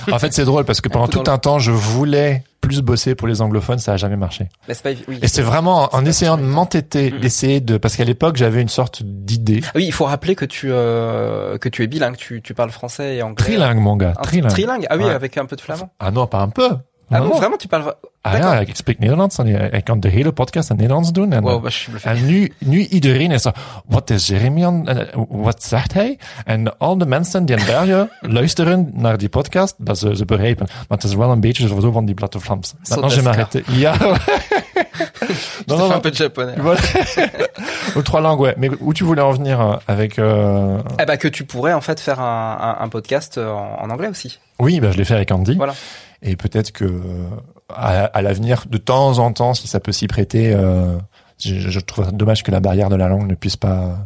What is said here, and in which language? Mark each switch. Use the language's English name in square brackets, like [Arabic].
[French] En fait c'est drôle parce que pendant tout un temps je voulais plus bosser pour les anglophones, ça a jamais marché. C'est vraiment en essayant de m'entêter, d'essayer de, parce qu'à l'époque j'avais une sorte d'idée. Oui, il faut rappeler que tu es bilingue, tu parles français et anglais. Trilingue, mon gars. Trilingue. Ah oui, ouais. Avec un peu de flamand. Ah non, pas un peu. Ah non, bon, vraiment, tu parles. [Dutch] Ik spreek Nederlands en ik kan de hele podcast in Nederlands doen. En, wow, was je bluffé. En nu iedereen is zo, wat is Jeremy aan, wat zegt hij? En al de mensen die in België luisteren naar die podcast, dat ze begrijpen. Maar het is wel een beetje zo van die Blatte Vlaams. [French] Maintenant, je m'arrête. [Dutch] Ja. [French] Je fais un peu de japonais. Voilà. Ou trois langues, ouais. Mais où tu voulais en venir avec... Que tu pourrais en fait faire un podcast en anglais aussi. Oui, je l'ai fait avec Andy. Voilà. Et peut-être que... À l'avenir, de temps en temps, si ça peut s'y prêter, je trouve ça dommage que la barrière de la langue ne puisse pas...